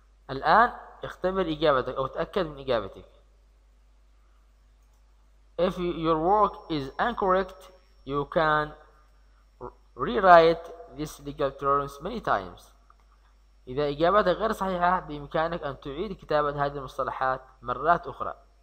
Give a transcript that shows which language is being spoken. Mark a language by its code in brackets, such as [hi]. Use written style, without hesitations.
[ar] الآن اختبر إجابتك أو تأكد من إجابتك. [en] If your work is incorrect, you can rewrite this legal terms many times. [ar] إذا إجابتك غير صحيحة بإمكانك أن تعيد كتابة هذه المصطلحات مرات أخرى.